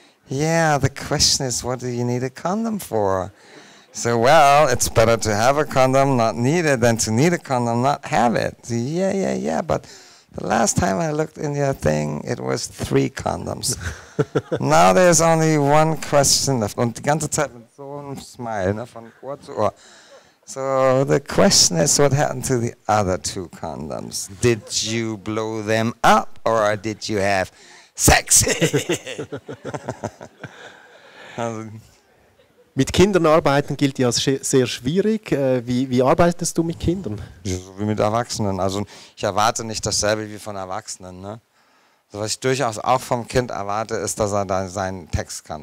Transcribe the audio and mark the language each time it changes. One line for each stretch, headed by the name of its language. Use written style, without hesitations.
English: Yeah, the question is, what do you need a condom for? So, well, it's better to have a condom, not need it, than to need a condom, not have it. So, yeah, yeah, yeah, but the last time I looked in your thing, it was 3 condoms. Now there's only 1 question left.
German: Und die ganze Zeit mit so einem Smile, ne, von Ohr zu Ohr.
English: So, the question is, what happened to the other 2 condoms? Did you blow them up or did you have Sex!
German: Also, mit Kindern arbeiten gilt ja als sehr schwierig. Wie arbeitest du mit Kindern? So wie mit Erwachsenen. Also ich erwarte nicht dasselbe wie von Erwachsenen. Ne? Also was ich durchaus auch vom Kind erwarte, ist, dass er da seinen Text kann.